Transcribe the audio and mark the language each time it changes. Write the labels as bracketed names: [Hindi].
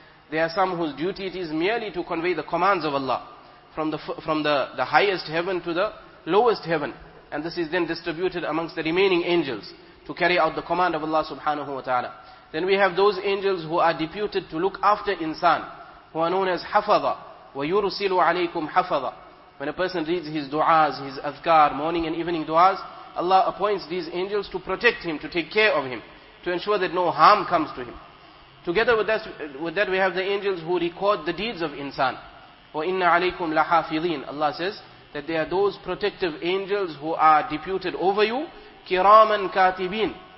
[English] There are some whose duty it is merely to convey the commands of Allah from the highest heaven to the lowest heaven. And this is then distributed amongst the remaining angels to carry out the command of Allah subhanahu wa ta'ala. Then we have those angels who are deputed to look after insan, who are known as hafadha. [Arabic] وَيُرُسِلُ عَلَيْكُمْ hafadha. [English] When a person reads his du'as, his adhkar, morning and evening du'as, Allah appoints these angels to protect him, to take care of him, to ensure that no harm comes to him. Together with that we have the angels who record the deeds of insan. [Arabic] وَإِنَّ عَلَيْكُمْ لَحَافِظِينَ. [English] Allah says that they are those protective angels who are deputed over you, [Arabic] كِرَامًا كَاتِبِينَ.